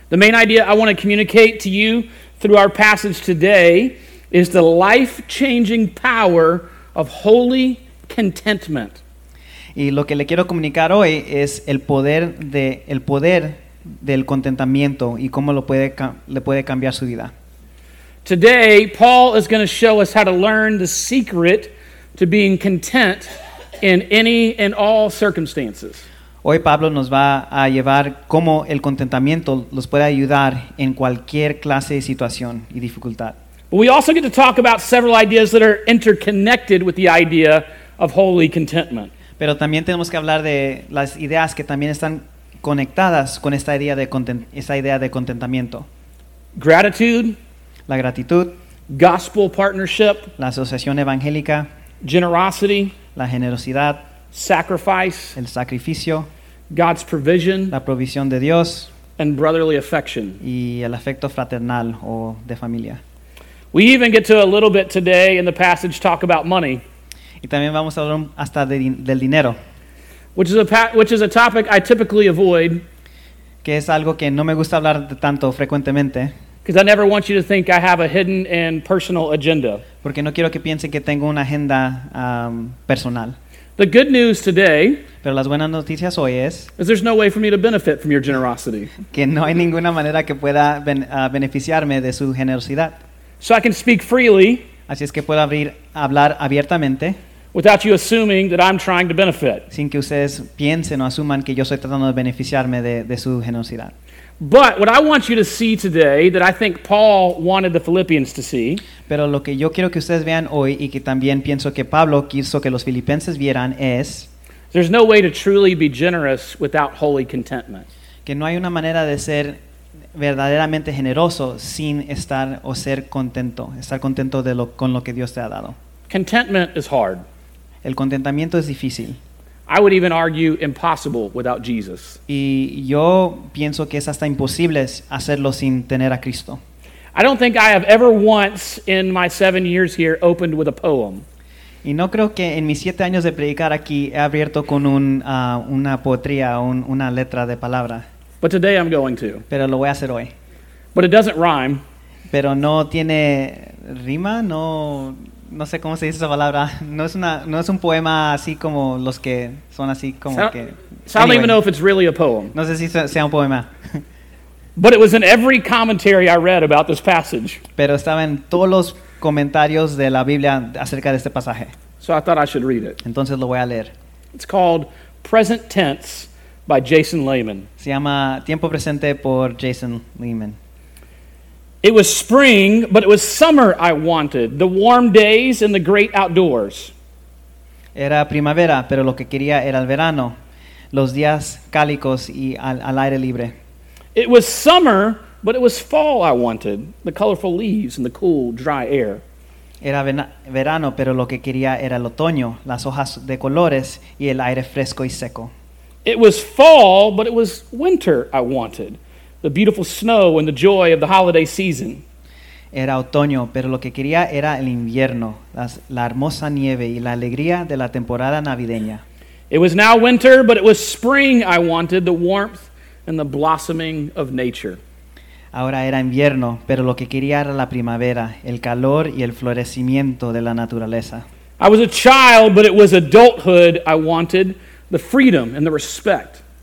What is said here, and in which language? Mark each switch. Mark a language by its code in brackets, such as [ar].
[en] The main idea I want to communicate to you through our passage today is the life-changing power of holy contentment. [es] Y lo que le quiero comunicar hoy es el poder del contentamiento y cómo le puede cambiar su vida. [en] Today, Paul is going to show us how to learn the secret to being content in any and all circumstances. [es] Hoy Pablo nos va a llevar cómo el contentamiento los puede ayudar en cualquier clase de situación y dificultad. [en] But we also get to talk about several ideas that are interconnected with the idea of holy contentment. [es] Pero también tenemos que hablar de las ideas que también están conectadas con esta idea de contentamiento. [en] Gratitude. [es] La gratitud. [en] Gospel partnership. [es] La asociación evangélica. [en] Generosity. [es] La generosidad. [en] Sacrifice. [es] El sacrificio. [en] God's provision. [es] La provisión de Dios. [en] And brotherly affection. [es] Y el afecto fraternal o de familia. [en] We even get to a little bit today in the passage talk about money. [es] Y también vamos a hablar hasta del dinero. [en] Which is a topic I typically avoid. [es] Que es algo que no me gusta hablar tanto frecuentemente. [en] Because I never want you to think I have a hidden and personal agenda. [es] Porque no quiero que piensen que tengo una agenda personal. [en] The good news today. [es] Pero las buenas noticias hoy es. [en] Is there's no way for me to benefit from your generosity. [es] Que no hay ninguna manera que pueda beneficiarme de su generosidad. [en] So I can speak freely. [es] Así es que puedo hablar abiertamente. [en] Without you assuming that I'm trying to benefit. [es] Sin que ustedes piensen o asuman que yo estoy tratando de beneficiarme de su generosidad. [en] But what I want you to see today that I think Paul wanted the Philippians to see. [es] Pero lo que yo quiero que ustedes vean hoy y que también pienso que Pablo quiso que los filipenses vieran es. [en] There's no way to truly be generous without holy contentment. [es] Que no hay una manera de ser verdaderamente generoso sin estar o ser contento, estar contento de lo con lo que Dios te ha dado. [en] Contentment is hard. [es] El contentamiento es difícil. [en] I would even argue impossible without Jesus. [es] Y yo pienso que es hasta imposible hacerlo sin tener a Cristo. [en] I don't think I have ever once in my 7 years here opened with a poem. [es] Y no creo que en mis 7 años de predicar aquí he abierto con una poetría o una letra de palabra. [en] But today I'm going to. [es] Pero lo voy a hacer hoy. [en] But it doesn't rhyme. [es] Pero no tiene rima, no. No sé cómo se dice esa palabra. No es un poema así como los que son así como so, que. [en] So anyway, I don't even know if it's really a poem. [es] No sé si sea un poema. [en] But it was in every commentary I read about this passage. [es] Pero estaba en todos los comentarios de la Biblia acerca de este pasaje. [en] So I thought I should read it. [es] Entonces lo voy a leer. [en] It's called Present Tense by Jason Lehman. [es] Se llama Tiempo Presente por Jason Lehman. [en] It was spring, but it was summer I wanted, the warm days and the great outdoors. [es] Era primavera, pero lo que quería era el verano, los días cálidos y al aire libre. [en] It was summer, but it was fall I wanted, the colorful leaves and the cool, dry air. [es] Era verano, pero lo que quería era el otoño, las hojas de colores y el aire fresco y seco. [en] It was fall, but it was winter I wanted. The beautiful snow and the joy of the holiday season. [es] Era otoño, pero lo que quería era el invierno, la hermosa nieve y la alegría de la temporada navideña. [en] It was now winter, but it was spring I wanted, the warmth and the blossoming of nature. [es] Ahora era invierno, pero lo que quería era la primavera, el calor y el florecimiento de la naturaleza. [en] I was a child, but it was adulthood I wanted, the freedom and the respect.